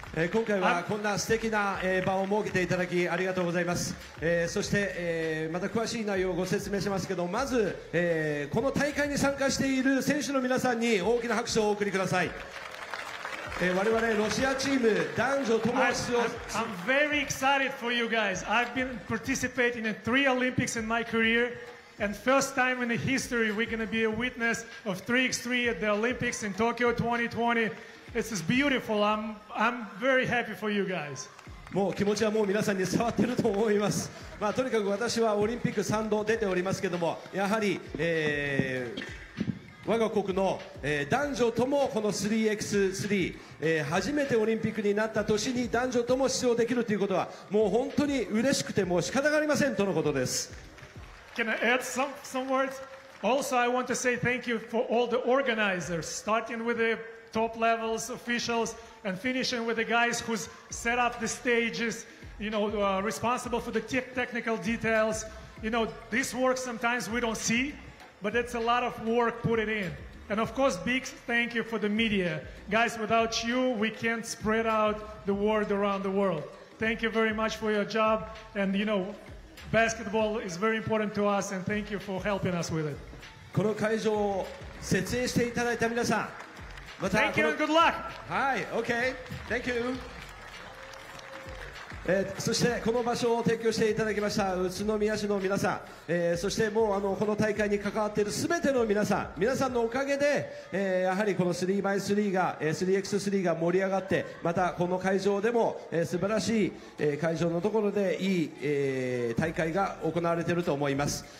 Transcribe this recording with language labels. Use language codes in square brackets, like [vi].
[ja] 今回はこんな素敵な場を設けていただきありがとうございます。そしてまた詳しい内容をご説明しますけど、まずこの大会に参加している選手の皆さんに大きな拍手をお送りください。我々ロシアチーム男女共に出場、 [en] I'm very excited for you guys. I've been participating in 3 Olympics in my career, and first time in the history we're going to be a witness of 3x3 at the Olympics in Tokyo 2020. This is beautiful. I'm very happy for you guys. [ja] もう気持ちはもう皆さんに伝わってると思います。まあとにかく私はオリンピック3度出ておりますけども、やはり我が国の男女ともこの 3x3 初めてオリンピックになった年に男女とも出場できるということはもう本当に嬉しくてもう仕方がありませんとのことです。 [en] Can I add some words? Also, I want to say thank you for all the organizers, starting with the top levels officials and finishing with the guys who's set up the stages, you know, responsible for the technical details. You know, this work sometimes we don't see, but it's a lot of work put it in. And of course, big thank you for the media. Guys, without you, we can't spread out the word around the world. Thank you very much for your job. And you know, basketball is very important to us, and thank you for helping us with it. [ja] この会場を設営していただいた皆さん、 [en] Thank you and good luck! Hi, okay, thank you! [ja] そしてこの場所を提供していただきました宇都宮市の皆さん、そしてもうこの大会に関わっている全ての皆さん、皆さんのおかげで、やはりこの 3x3 が、3x3 が盛り上がって、またこの会場でも、素晴らしい、会場のところでいい、大会が行われていると思います。